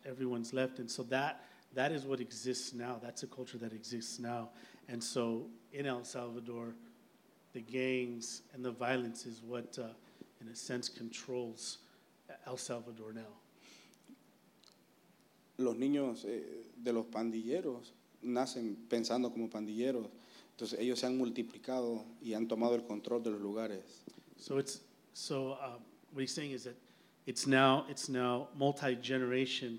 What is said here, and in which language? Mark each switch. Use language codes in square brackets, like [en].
[en] Everyone's left, and so that is what exists now. That's a culture that exists now, and so in El Salvador, the gangs and the violence is what, in a sense, controls El Salvador now. [es] Los niños de los pandilleros nacen pensando como pandilleros, entonces ellos se han multiplicado y han tomado el control de los lugares. [en] What he's saying is that it's now multi-generation.